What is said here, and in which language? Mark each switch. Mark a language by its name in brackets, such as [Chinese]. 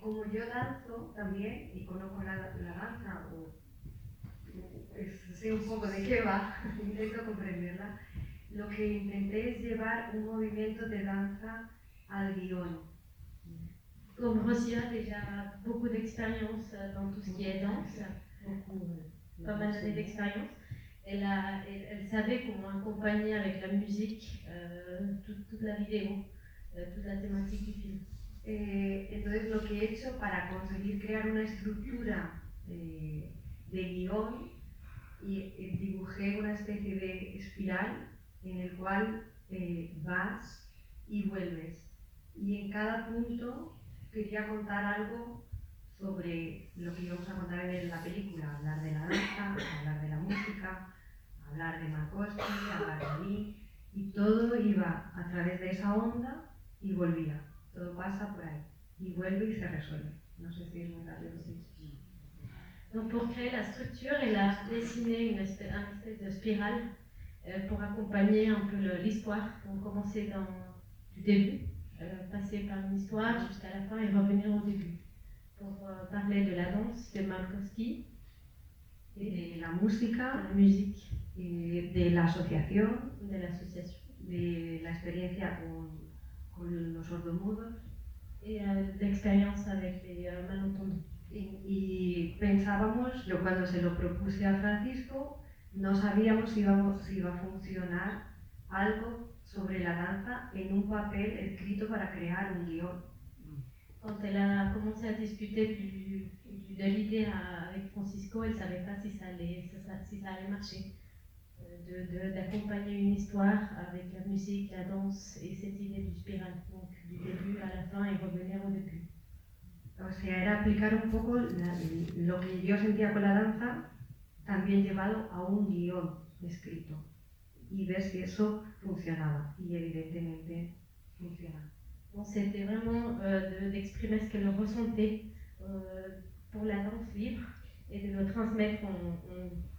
[Spanish] Como yo danzo también y conozco la danza, o sé un poco de qué va, intento comprenderla, lo que intenté es llevar un movimiento de danza al guión. Como Rocío ya [French] beaucoup d'expérience dans tout ce qui est danse, pas mal d'années d'expérience, elle savait comment accompagner avec la musique toute la vidéo, toute la thématique du film. [Spanish] Entonces lo que he hecho para conseguir crear una estructura de guión y dibujé una especie de espiral en el cual vas y vuelves y en cada punto quería contar algo sobre lo que íbamos a contar en la película, hablar de la danza, hablar de la música, hablar de Marcos, hablar de mí y todo iba a través de esa onda y volvía. Todo pasa por ahí y vuelve y se resuelve. No sé si es muy rápido. Sí. [French] Donc pour créer la structure, il a dessiné une espèce de spirale pour accompagner un peu l'histoire. Donc commencer du début, passer par une histoire jusqu'à la fin et revenir au début. Pour parler de la danse de Markowski, et de la musique, la musique, et de l'association, de l'expérience avec les sourds-muets, et l'expérience avec les malentendus. [Spanish] Y pensábamos, yo cuando se lo propuse a Francisco, no sabíamos si iba a funcionar algo sobre la danza en un papel escrito para crear un guión. Cuando él comenzó a discutir de la idea con Francisco, él no sabía si iba a marchar, de acompañar una historia con la música, la danza y esa idea de espiral, del principio a la fin y volver al principio. O sea, era aplicar un poco lo que yo sentía con la danza, también llevado a un guión escrito, y ver si eso funcionaba, y evidentemente funcionaba. Bueno, [French] c'était vraiment d'exprimer ce que l'on ressentait pour la danse libre, et de le transmettre en mots.